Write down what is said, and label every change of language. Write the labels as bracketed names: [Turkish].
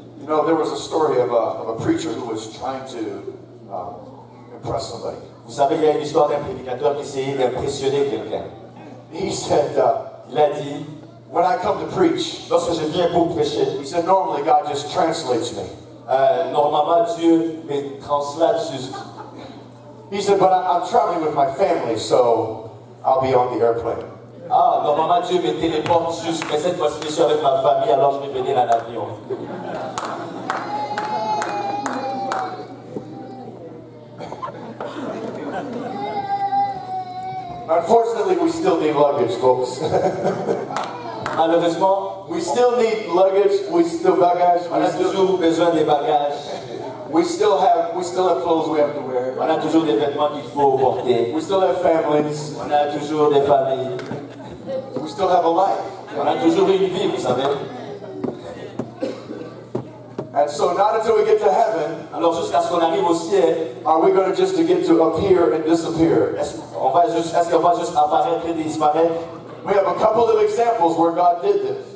[English] You know, there was a story of a preacher who was trying to impress somebody. [French] Vous savez, il y a une histoire d'un prédicateur qui essayait d'impressionner quelqu'un. [English] He said, [French] il a dit, [English] when I come to preach, [French] lorsque je viens pour prêcher, [English] he said, normally God just translates me. [French] Normalement, Dieu me translate juste. [English] He said, but I'm traveling with my family, so I'll be on the airplane. [French] Ah, normalement, Dieu me téléporte juste, mais cette fois-ci, je suis avec ma famille, alors je vais venir en avion. [English] Unfortunately, we still need luggage, folks. [French] Malheureusement, [English] we still need luggage. We still bagage. [French] On a toujours besoin des bagages. [English] We still have clothes we have to wear. [French] On a toujours des vêtements qu'il faut porter. [English] We still have families. [French] On a toujours des familles. [English] We still have a life. [French] On a toujours une vie, vous savez. [English] And so not until we get to heaven, [French] alors jusqu'à ce qu'on arrive au ciel, [English] are we going to just to get to appear and disappear? [French] Est-ce qu'on va juste apparaître et disparaître? [English] We have a couple of examples where God did this.